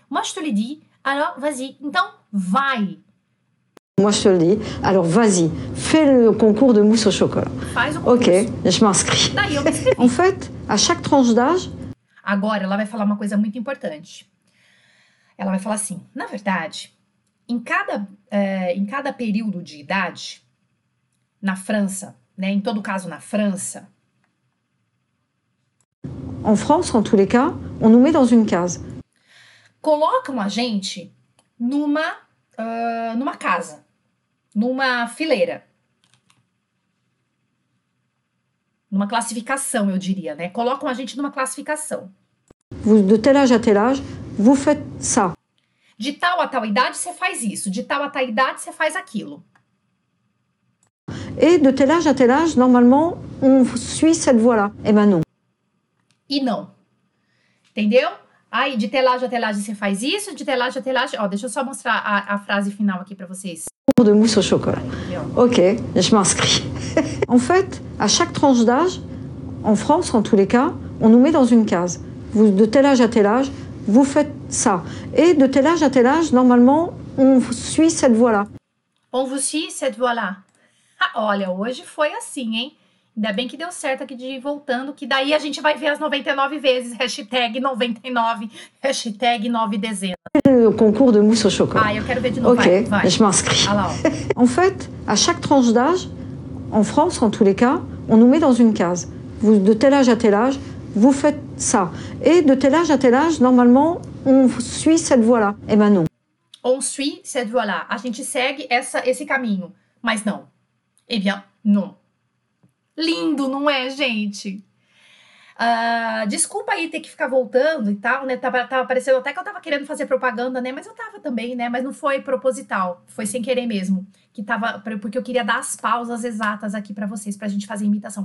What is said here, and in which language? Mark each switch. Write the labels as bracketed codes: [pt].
[fr] Moi, je te l'ai dit, alors, vas-y. [pt] Então, vai. [fr] Moi, je te le dis, alors vas-y, fais le concours de mousse au chocolat. [pt] Faz o concours. [fr] Ok, je m'inscris. [pt] Daí eu me inscrevi. [fr] En fait, à chaque tranche d'âge... [pt] Agora, ela vai falar uma coisa muito importante. Ela vai falar assim, na verdade, em cada período de idade, na França, né, em todo caso na França... [fr] En France, en tous les cas, on nous met dans une case. [pt] Colocam a gente numa casa, numa fileira, numa classificação, eu diria, né? Colocam a gente numa classificação. [fr] De tel âge à tel âge, vous faites ça. [pt] De tal a tal idade, você faz isso. De tal a tal idade, você faz aquilo. [fr] Et de tel âge à tel âge, normalement, on suit cette voie-là. Et ben non. [pt] E não. Entendeu? Aí, de telage a telage, você faz isso. De telage a telage... Ó, deixa eu só mostrar a frase final aqui pra vocês. [fr] Concours de mousse au chocolat. Ok, je m'inscris. En fait, à chaque tranche d'âge, en France, en tous les cas, on nous met dans une case. Vous, de telage à telage, vous faites ça. Et de telage à telage, normalement, on suit cette voie-là. On vous suit cette voie-là. [pt] Ah, olha, hoje foi assim, hein? Ainda bem que deu certo aqui de ir voltando, que daí a gente vai ver as 99 vezes. Hashtag 99, hashtag 9 dezenas. [fr] Le concours de mousse au chocolat. [pt] Ah, eu quero ver de novo. Ok, vai. [fr] Je m'inscris. [pt] Ah lá, ó. [fr] En fait, à chaque tranche d'âge, en France, en tous les cas, on nous met dans une case. Vous, de tel âge à tel âge, vous faites ça. Et de tel âge à tel âge, normalement, on suit cette voie-là. Eh ben non. On suit cette voie-là. [pt] A gente segue esse caminho. Mas não. [fr] Eh bien, non. [pt] Lindo, não é, gente? Desculpa aí ter que ficar voltando e tal, né? Tava parecendo até que eu tava querendo fazer propaganda, né? Mas eu tava também, né? Mas não foi proposital. Foi sem querer mesmo. Que tava, porque eu queria dar as pausas exatas aqui pra vocês, pra gente fazer imitação.